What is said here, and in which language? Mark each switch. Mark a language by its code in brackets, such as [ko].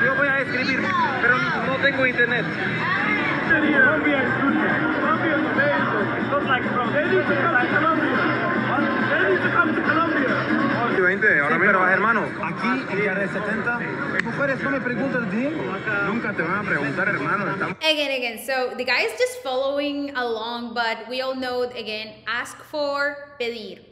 [es] Yo voy a escribir, pero no tengo internet. Colombia es tuya. Colombia es tuya. [en] It looks like from there you should come to Colombia. What? There you should come to Colombia. [es] Sí, 20, ahora sí, pero hermano, aquí ya de 70, mujeres no me preguntan de él. Nunca te van a preguntar, hermano. [en] Again, so the guy is just following along, but we all know, again, ask for, pedir.